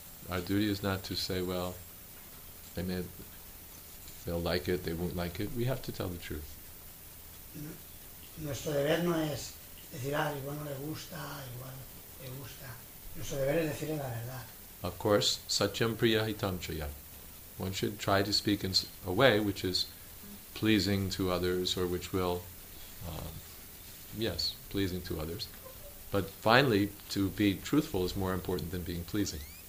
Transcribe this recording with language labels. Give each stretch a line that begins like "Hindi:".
English: Our duty is not to say, well, They may, they'll like it, they won't like it. We have to tell the truth.
Spanish: Nuestro deber no es decir, ah, igual no le gusta, igual le gusta. Nuestro deber es decirle la verdad.
English: Of course,
Sanskrit: satyam priya hitam chaya.
English: One should try to speak in a way which is pleasing to others, or which will, yes, pleasing to others. But finally, to be truthful is more important than being pleasing.